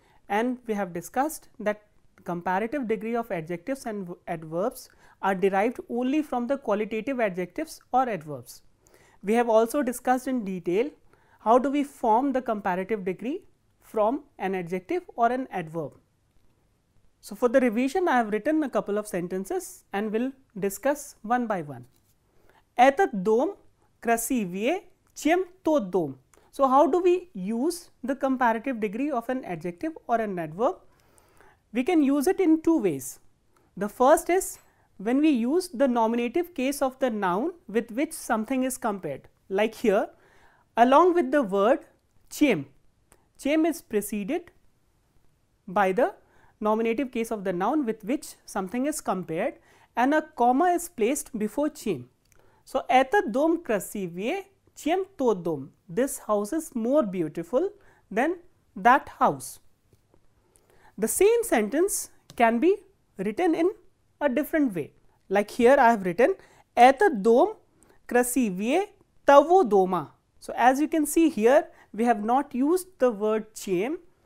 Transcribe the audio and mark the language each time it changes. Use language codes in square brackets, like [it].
[en] And we have discussed that comparative degree of adjectives and adverbs are derived only from the qualitative adjectives or adverbs. We have also discussed in detail how do we form the comparative degree from an adjective or an adverb. So, for the revision, I have written a couple of sentences and will discuss one by one. [ru] Этот дом красивее, чем тот дом. [en] So, how do we use the comparative degree of an adjective or an adverb? We can use it in two ways. The first is when we use the nominative case of the noun with which something is compared, like here, along with the word чем. Чем is preceded by the nominative case of the noun with which something is compared, and a comma is placed before чем. [ru] So, этот дом красивее, чем тот дом. [en] This house is more beautiful than that house. The same sentence can be written in a different way. Like here I have written, [ru] этот дом красивее того дома. [en] So, as you can see here, we have not used the word чем.